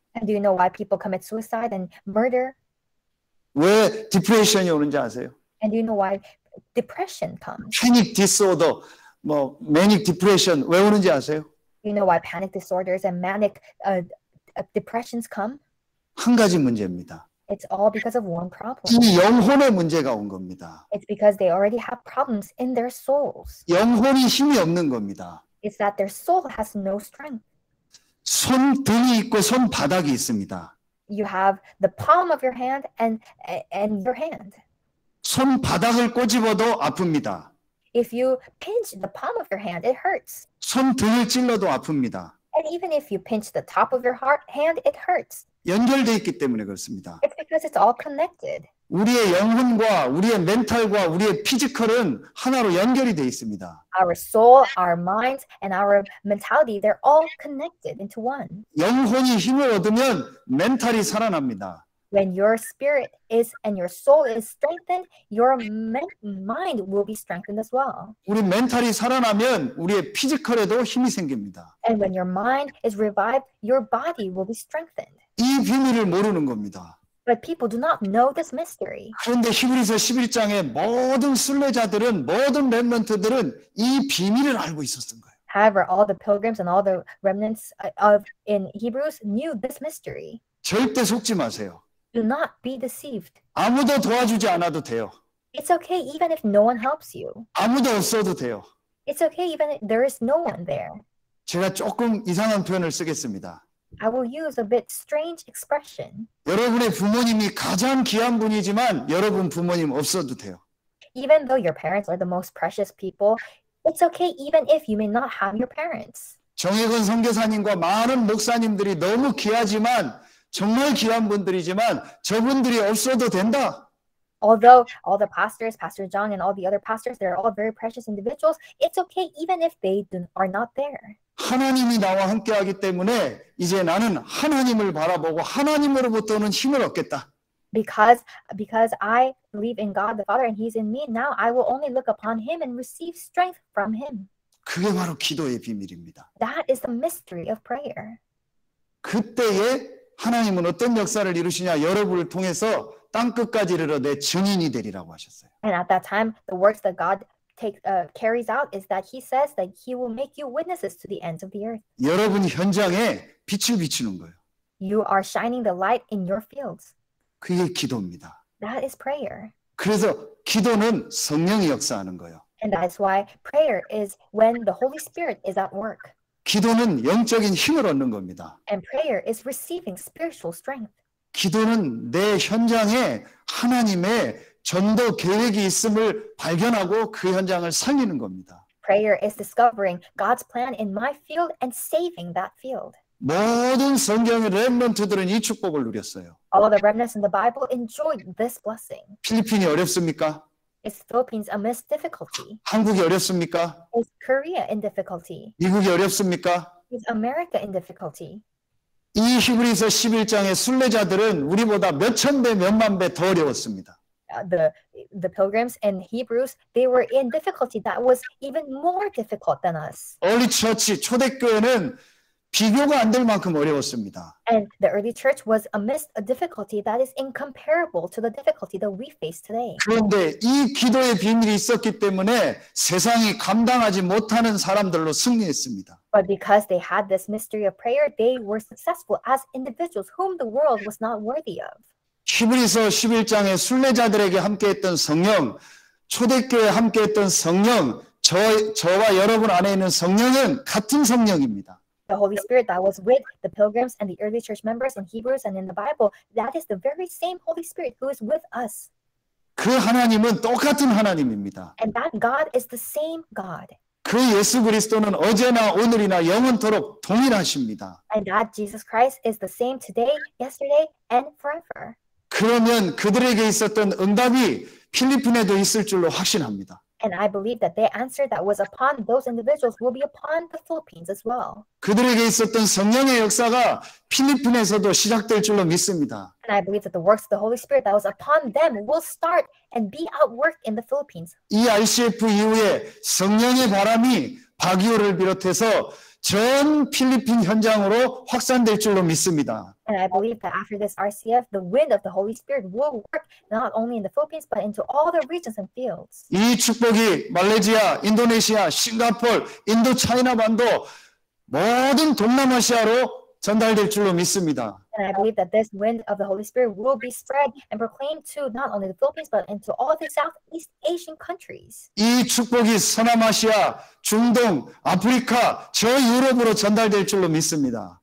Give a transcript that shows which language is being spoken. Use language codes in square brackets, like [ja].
[en] And do you know why people commit suicide and murder? [ko] 왜 depression이 오는지 아세요? [en] And do you know why depression comes? Panic disorder, manic depression [ko] 왜 오는지 아세요? [en] Do you know why panic disorders and manic depressions come? [ko] 한 가지 문제입니다. [en] It's all because of one problem. [ko] 이 영혼의 문제가 온 겁니다. [en] It's because they already have problems in their souls. [ko] 영혼이 힘이 없는 겁니다. [en] It's that their soul has no strength. [ko] 손 등이 있고 손 바닥이 있습니다. [en] You have the palm of your hand and your hand. [ko] 손 바닥을 꼬집어도 아픕니다. [en] If you pinch the palm of your hand, it hurts. [ko] 손 등을 찔러도 아픕니다. [en] And even if you pinch the top of your hand, it hurts. [ko] 연결되어 있기 때문에 그렇습니다. [en] It's because it's all connected. [ko] 우리의 영혼과 우리의 멘탈과 우리의 피지컬은 하나로 연결이 되어 있습니다. [en] Our soul, our minds, and our mentality, they're all connected into one. [ko] 영혼이 힘을 얻으면 멘탈이 살아납니다. [en] When your spirit is and your soul is strengthened, your mind will be strengthened as well. [ko] 우리 멘탈이 살아나면 우리의 피지컬에도 힘이 생깁니다. [en] And when your mind is revived, your body will be strengthened. [ko] 이 비밀을 모르는 겁니다. [en] But people do not know this mystery. [ko] 그런데 히브리서 11장의 모든 순례자들은 모든 렘넌트들은 이 비밀을 알고 있었던 거예요. [en] However, all the pilgrims and all the remnants of in Hebrews knew this mystery. [ko] 절대 속지 마세요. [en] Do not be deceived. [ko] 아무도 도와주지 않아도 돼요. [en] It's okay even if no one helps you. [ko] 아무도 없어도 돼요. [en] It's okay even if there is no one there. [ko] 제가 조금 이상한 표현을 쓰겠습니다. [en] I will use a bit strange expression. [ko] 여러분의 부모님이 가장 귀한 분이지만 여러분 부모님 없어도 돼요. [en] Even though your parents are the most precious people, it's okay even if you may not have your parents. [ko] 정혜건 선교사님과 많은 목사님들이 너무 귀하지만 정말 귀한 분들이지만 저분들이 없어도 된다. [en] Although all the pastors, Pastor Jung and all the other pastors, they're all very precious individuals, it's okay even if they are not there. [ko] 하나님이 나와 함께 하기 때문에 이제 나는 하나님을 바라보고 하나님으로부터는 힘을 얻겠다. [en] Because I believe in God the Father and He's in me, now I will only look upon Him and receive strength from Him. [ko] 그게 바로 기도의 비밀입니다. [en] That is the mystery of prayer. [ko] 그때에 하나님은 어떤 역사를 이루시냐? 여러분을 통해서 땅끝까지 이르러 내 증인이 되리라고 하셨어요. [en] And at that time, the works that God carries out is that He says that He will make you witnesses to the ends of the earth. [ko] 여러분 현장에 빛을 비추는 거예요. [en] You are shining the light in your fields. [ko] 그게 기도입니다. [en] That is prayer. [ko] 그래서 기도는 성령이 역사하는 거예요. [en] And that's why prayer is when the Holy Spirit is at work. [ko] 기도는 영적인 힘을 얻는 겁니다. [en] And prayer is receiving spiritual strength. [ko] 기도는 내 현장에 하나님의 전도 계획이 있음을 발견하고 그 현장을 살리는 겁니다. [en] Prayer is discovering God's plan in my field and saving that field. [ko] 모든 성경의 렘넌트들은 이 축복을 누렸어요. [en] All the remnants in the Bible enjoyed this blessing. [ko] 필리핀이 어렵습니까? [en] Is Philippines a mess difficulty? [ko] 한국이 어렵습니까? [en] Is Korea in difficulty? [ko] 미국이 어렵습니까? [en] Is America in difficulty? [ko] 이 히브리서 11장의 순례자들은 우리보다 몇천 배, 몇만 배 더 어려웠습니다. [en] The pilgrims in Hebrews, they were in difficulty that was even more difficult than us. Early church, [ko] 초대교회는 비교가 안 될 만큼 어려웠습니다. [en] And the early church was amidst a difficulty that is incomparable to the difficulty that we face today. [ko] 그런데 이 기도의 비밀이 있었기 때문에 세상이 감당하지 못하는 사람들로 승리했습니다. [en] But because they had this mystery of prayer, they were successful as individuals whom the world was not worthy of. [ko] 히브리서 11장의 순례자들에게 함께했던 성령, 초대교회에 함께했던 성령, 저와 여러분 안에 있는 성령은 같은 성령입니다. [en] The Holy Spirit that was with the pilgrims and the early church members in Hebrews and in the Bible, that is the very same Holy Spirit who is with us. [ko] 그 하나님은 똑같은 하나님입니다. [en] And that God is the same God. [ko] 그 예수 그리스도는 어제나 오늘이나 영원토록 동일하십니다. [en] And that Jesus Christ is the same today, yesterday, and forever. [ko] 그러면 그들에게 있었던 응답이 필리핀에도 있을 줄로 확신합니다. [en] And I believe that the answer that was upon those individuals will be upon the Philippines as well. [ko] 그들에게 있었던 성령의 역사가 필리핀에서도 시작될 줄로 믿습니다. [en] And I believe that the works of the Holy Spirit that was upon them will start and be at work in the Philippines. [ko] 이 ICF 이후에 성령의 바람이 바기오를 비롯해서 전 필리핀 현장으로 확산될 줄로 믿습니다. [en] And I believe that after this RCF, the wind of the Holy Spirit will work not only in the Philippines, but into all the regions and fields. [ko] 이 축복이 말레이시아, 인도네시아, 싱가포르, 인도차이나 반도 모든 동남아시아로 전달될 줄로 믿습니다. [en] And I believe that this wind of the Holy Spirit will be spread and proclaimed to not only the Philippines, but into all the Southeast Asian countries. [ko] 이 축복이 서남아시아, 중동, 아프리카, 저 유럽으로 전달될 줄로 믿습니다.